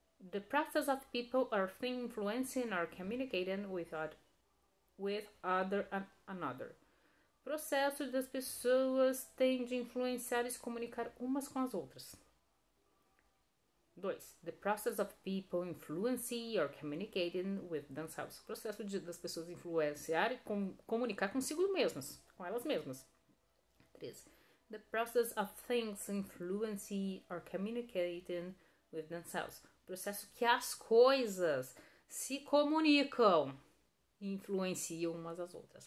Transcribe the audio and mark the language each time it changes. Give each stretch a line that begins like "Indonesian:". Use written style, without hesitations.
English: The process of people or thing influencing or communicating with another.
Portuguese: Processo das pessoas tem de influenciar e se comunicar umas com as outras. 2.
English: The process of people influencing or communicating with themselves.
Portuguese: Processo das pessoas influenciar e comunicar consigo mesmas, com elas mesmas. 3.
English: The process of things influencing or communicating with themselves.
Portuguese: Processo que as coisas se comunicam e influenciam umas às outras.